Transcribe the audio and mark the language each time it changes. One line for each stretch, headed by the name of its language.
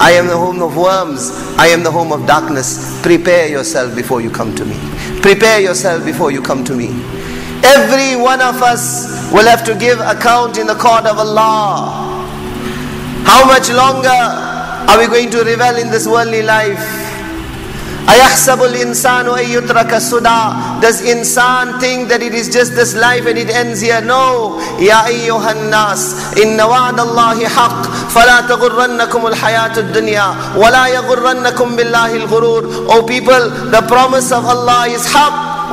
English: I am the home of worms. I am the home of darkness. Prepare yourself before you come to me. Prepare yourself before you come to me. Every one of us will have to give account in the court of Allah. How much longer are we going to revel in this worldly life?
Arabic: أَيَحْسَبُ الْإِنسَانُ أَن يُتْرَكَ سُدًى.
English: Does insan think that it is just this life and it ends here? No.
Arabic: يَا أَيُّهَا النَّاسِ إِنَّ وَعْدَ اللَّهِ حَقٌّ فَلَا تَغُرَّنَّكُمُ الْحَيَاةُ الدُّنْيَا وَلَا يَغُرَّنَّكُمْ بِاللَّهِ الْغُرُورُ.
English: O people, the promise of Allah is haq.